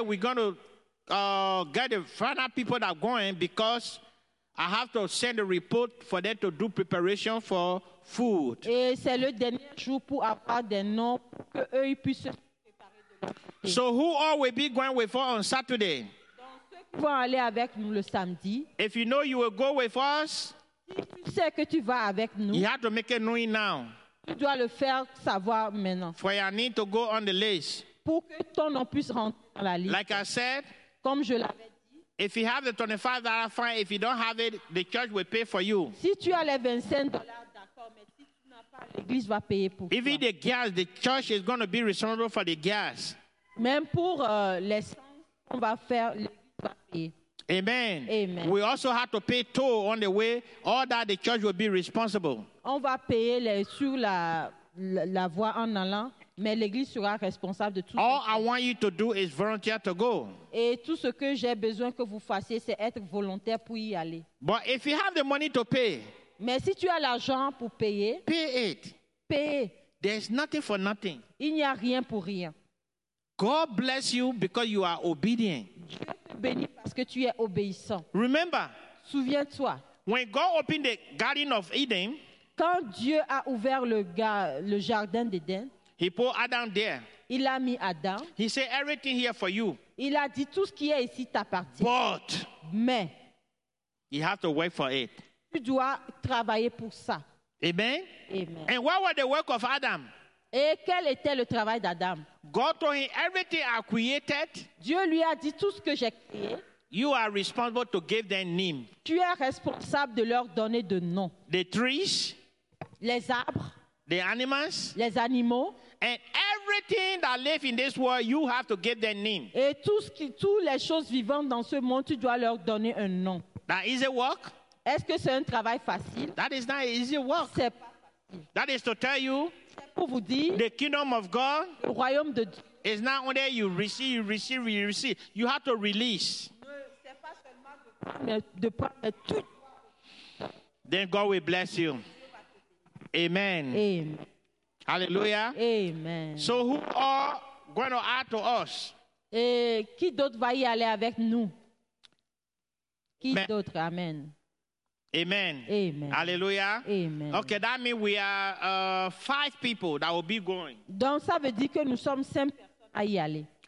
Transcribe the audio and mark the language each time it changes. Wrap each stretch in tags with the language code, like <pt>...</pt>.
<en>We're going to get the final people that are going because I have to send a report for them to do preparation for food.</en> <fr>Et c'est le dernier jour pour avoir des noms pour que eux ils puissent se préparer.</fr> <en>So who all will be going with us on Saturday?</en> <fr>Donc ceux qui vont aller avec nous le samedi.</fr> <en>If you know you will go with us,</en> <fr>si tu sais que tu vas avec nous,</fr> <en>you have to make it known now.</en> <fr>Tu dois le faire savoir maintenant.</fr> <en>For your name to go on the list.</en> <fr>Pour que ton nom puisse rentrer dans la liste.</fr> <en>Like I said.</en> <fr>Comme je l'avais dit.</fr> <en>If you have the $25, fine. If you don't have it, the church will pay for you.</en> <fr>Si tu as les $25, d'accord, mais si tu n'as pas, l'église va payer pour</fr> <en>even</en> <fr>toi.</fr> <en>Even the gas, the church is going to be responsible for the gas.</en> <fr>Même pour l'essence, on va faire, l'église va payer.</fr> <en>Amen.</en> <fr>Amen.</fr> <en>We also have to pay toll on the way, all that the church will be responsible.</en> <fr>On va payer les sur la voie en allant, mais l'église sera responsable de tout.</fr> <en>All I want you to do is volunteer to go.</en> <fr>Et tout ce que j'ai besoin que vous fassiez, c'est être volontaire pour y aller.</fr> <en>But if you have the money to pay,</en> <fr>mais si tu as l'argent pour payer,</fr> <en>pay it.</en> <fr>Paye.</fr> <en>There's nothing for nothing.</en> <fr>Il n'y a rien pour rien.</fr> <en>God bless you because you are obedient.</en> <fr>Dieu te bénit parce que tu es obéissant.</fr> <en>Remember,</en> <fr>souviens-toi.</fr> <en>When God opened the Garden of Eden,</en> <fr>quand Dieu a ouvert le jardin d'Eden,</fr> <en>He put Adam there.</en> <fr>Il a mis Adam.</fr> <en>He said everything here for you.</en> <fr>Il a dit tout ce qui est ici t'appartient.</fr> <en>But,</en> <fr>mais,</fr> <en>you have to work for it.</en> <fr>Tu dois travailler pour ça.</fr> <en>Amen.</en> <fr>Amen.</fr> <en>And what was the work of Adam?</en> <fr>Et quel était le travail d'Adam?</fr> <en>God told him everything I created.</en> <fr>Dieu lui a dit tout ce que j'ai créé.</fr> <en>You are responsible to give them name.</en> <fr>Tu es responsable de leur donner de nom.</fr> <en>The trees.</en> <fr>Les arbres.</fr> <en>The animals.</en> <fr>Les animaux.</fr> <en>And everything that lives in this world, you have to give them name.</en> <fr>Et tous les choses vivantes dans ce monde, tu dois leur donner un nom.</fr> <en>That is a work.</en> <fr>Est-ce que c'est un travail facile?</fr> <en>That is not easy work.</en> <fr>C'est pas</fr> <en>facile. That is to tell you.</en> <fr>Pour vous dire,</fr> <en>the kingdom of God,</en> <fr>le royaume de Dieu,</fr> <en>is not only you receive. You have to release.</en> <fr>C'est pas seulement de prendre, mais tout.</fr> <en>Then God will bless you. Amen.</en> <fr>Amen.</fr> <en>Hallelujah.</en> <fr>Amen.</fr> <en>So who are going to add to us?</en> <fr>Et qui d'autre va y aller avec nous? Qui d'autre? Amen.</fr> <en>Amen.</en> <fr>Amen.</fr> <en>Hallelujah.</en> <fr>Amen.</fr> <en>Okay, that means we are five people that will be going.</en> <fr>Donc ça veut dire que nous sommes cinq personnes à y aller.</fr>